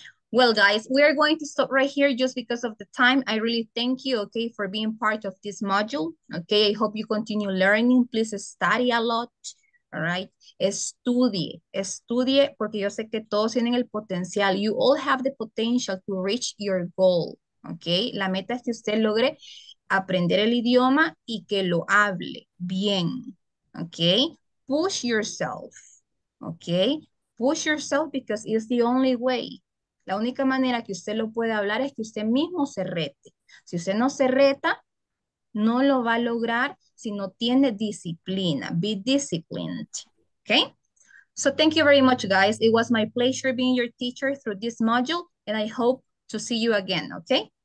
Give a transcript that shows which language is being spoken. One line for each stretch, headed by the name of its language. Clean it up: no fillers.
English: Well, guys, we are going to stop right here just because of the time. I really thank you, okay, for being part of this module, okay? I hope you continue learning. Please study a lot, all right?
Spanish: Estudie, porque yo sé que todos tienen el potencial.
English: You all have the potential to reach your goal, okay?
Spanish: La meta es que usted logre aprender el idioma y que lo hable bien, okay?
English: Push yourself, okay? Push yourself because it's the only way.
Spanish: La única manera que usted lo puede hablar es que usted mismo se rete. Si usted no se reta, no lo va a lograr si no tiene disciplina.
English: Be disciplined, okay? So thank you very much, guys. It was my pleasure being your teacher through this module, and I hope to see you again, okay?